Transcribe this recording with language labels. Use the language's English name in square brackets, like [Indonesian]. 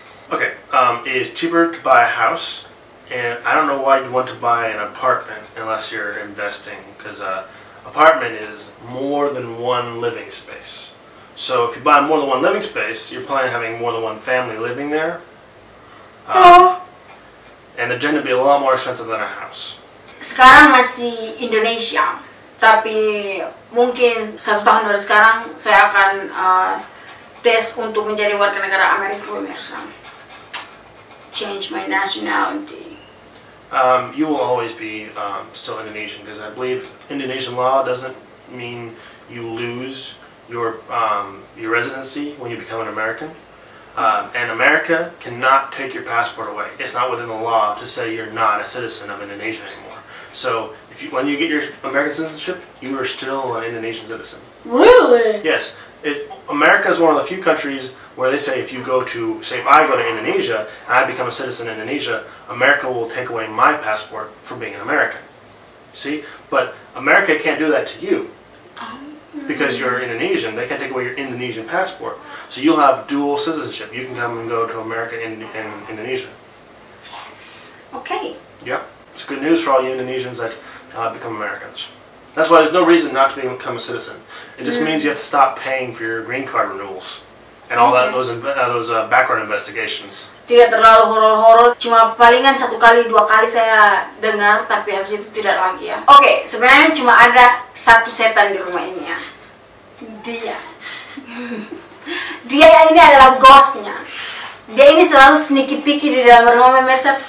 [English] Okay, it is cheaper to buy a house. And I don't know why you'd want to buy an apartment unless you're investing, because an apartment is more than one living space. So if you buy more than one living space, you're planning on having more than one family living there. And they're going to be a lot more expensive than a house. [Indonesian] Sekarang masih Indonesia, tapi mungkin satu tahun dari sekarang saya akan tes untuk menjadi warga negara Amerika, pemirsa. [English] Change my nationality. You will always be still Indonesian, because I believe Indonesian law doesn't mean you lose your residency when you become an American. And America cannot take your passport away. It's not within the law to say you're not a citizen of Indonesia anymore. So when you get your American citizenship, you are still an Indonesian citizen. Really? Yes. America is one of the few countries where they say if I go to Indonesia and I become a citizen in Indonesia, America will take away my passport for being an American. See? But America can't do that to you. Because you're Indonesian, they can't take away your Indonesian passport. So you'll have dual citizenship. You can come and go to America and Indonesia. Yes. Okay. Yep. It's good news for all you Indonesians that become Americans. That's why there's no reason not to become a citizen. It just means you have to stop paying for your green card renewals. And all those background investigations. [Indonesian] Tidak terlalu horor-horor. Cuma palingan satu kali, dua kali saya dengar. Tapi habis itu tidak lagi ya. Oke, sebenarnya cuma ada satu setan di rumah ini ya. Dia. Dia yang ini adalah ghostnya. Dia ini selalu [English] sneaky peeky [Indonesian] di dalam rumah pemirsa.